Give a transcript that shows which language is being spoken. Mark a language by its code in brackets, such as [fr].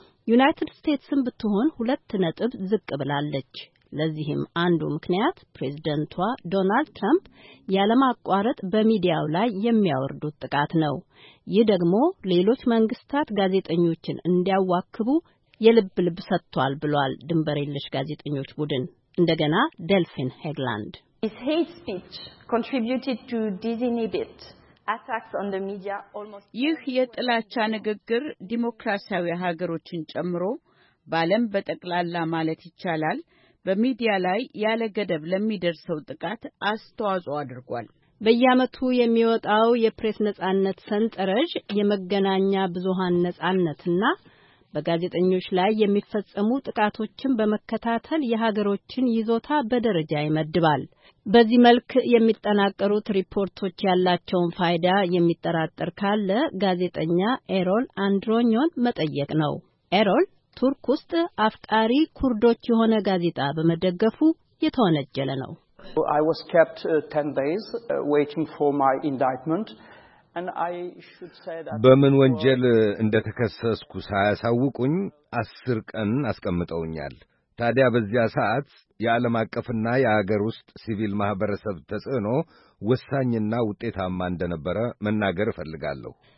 [am] ዩናይትድ ስቴትስም ብትሆን 2 ነጥብ ዝቅ ብላለች። ለዚህም አንዱ ምክንያት ፕሬዝዳንቷ ዶናልድ ትራምፕ ያለማቋረጥ በሚዲያው ላይ የሚያወርዱት ጥቃት ነው። ይህ ደግሞ ሌሎች መንግስታት ጋዜጠኞችን እንዲያዋክቡ የልብ ልብ ሰጥቷል ብሏል ድንበሬልሽ ጋዜጠኞች ቡድን እንደገና ደልፊን ሄግላንድ [en] His hate speech contributed to disinhibit attacks on the media almost [am] ይህ የጥላቻ ንግግር ዲሞክራሲያዊ ሀገሮችን ጨምሮ ባለም በጠቅላላ ማለት ይቻላል በሚዲያ ላይ ያለ ገደብ ለሚደርሰው ጥቃት አስተዋጽኦ አድርጓል በየአመቱ የሚወጣው የፕሬስ ነጻነት ሰንጠረዥ የመገናኛ ብዙሃን ነጻነትና በጋዜጠኞች ላይ የሚፈጸሙ ጥቃቶችን በመከታተል የሀገሮችን ይዞታ በደረጃ ይመድባል። በዚህ መልክ የሚጠናቀሩት ሪፖርቶች ያላቸውን ፋይዳ የሚጠራጠር ካለ ጋዜጠኛ ኤሮል አንድሮኒዮን መጠየቅ ነው። ኤሮል ቱርክ ውስጥ አፍቃሪ ኩርዶች የሆነ ጋዜጣ በመደገፉ የተወነጀለ ነው። [en] I was kept 10 days waiting for my indictment. And I should say that [am] በምን ወንጀል እንደተከሰስኩ ሳያሳውቁኝ 10 ቀን አስቀምጠውኛል። ታዲያ በዚያ ሰዓት የዓለም አቀፍና የሀገር ውስጥ ሲቪል ማህበረሰብ ተጽዕኖ ወሳኝና ውጤታማ እንደነበረ መናገር ፈልጋለሁ።